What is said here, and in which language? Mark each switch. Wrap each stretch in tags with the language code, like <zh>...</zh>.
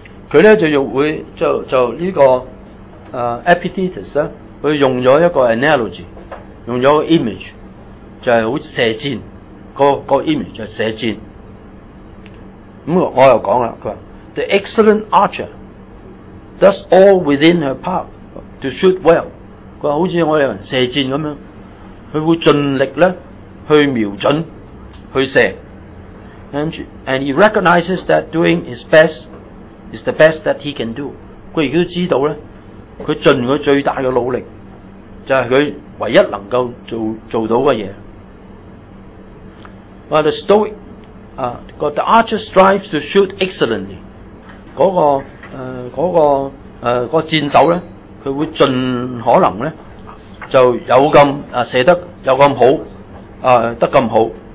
<yue>佢咧Epictetus 咧，佢用咗一個 analogy， 用咗個 image， 就係好射箭，那個 image 就係射箭。咁我又講啦，佢話</yue> <en>：The excellent archer does all within her power to shoot well。</en> <yue>佢話好似我有人射箭咁樣，佢會盡力咧去瞄準去射。</yue> <en>And he recognizes that doing his best is the best that he can do。</en> <yue>佢亦都知道咧。佢盡佢最大嘅努力，就係佢唯一能夠做到嘅嘢。</yue> <en>But the stoic, the archer strives to shoot excellently。</en> <yue>嗰個箭手咧，佢會盡可能咧，就有咁射得有咁好，得咁好。</yue>